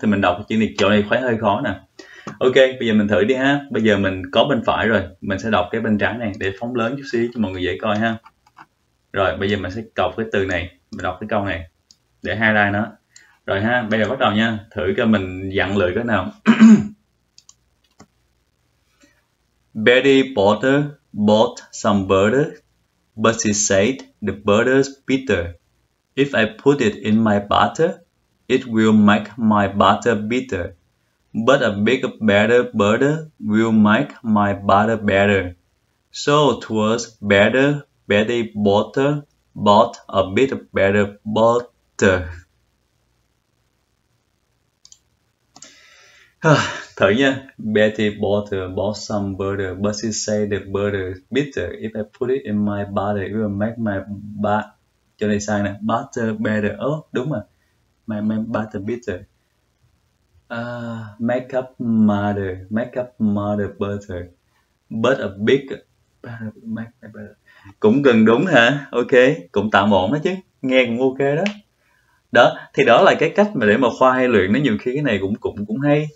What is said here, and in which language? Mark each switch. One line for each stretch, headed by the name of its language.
Vietnamese: Thì mình đọc cái chữ này, chỗ này khá hơi khó nè. Ok, bây giờ mình thử đi ha. Bây giờ mình có bên phải rồi, mình sẽ đọc cái bên trắng này để phóng lớn chút xíu cho mọi người dễ coi ha. Rồi bây giờ mình sẽ đọc cái từ này, mình đọc cái câu này để highlight nó. Rồi ha, bây giờ bắt đầu nha, thử cho mình dặn lời cái nào.
English: Betty Potter bought some butter, but she said the butter's bitter. If I put it in my butter, it will make my butter bitter. But a bit better butter will make my butter better. So 'twas better Betty Potter bought a bit better butter.
Vietnamese: Thử nha.
English: Betty Potter bought some butter, but she said the butter bitter. If I put it in my butter, it will make my butter.
Vietnamese: Chỗ này sai nè.
English: Butter better.
Vietnamese: Đúng rồi.
English: My butter bitter. Make up mother butter, but a big make better.
Vietnamese: Cũng gần đúng hả? Ok, cũng tạm ổn đó chứ. Nghe cũng ok đó. Đó, thì đó là cái cách mà để mà Khoa hay luyện nó, nhiều khi cái này cũng cũng cũng hay.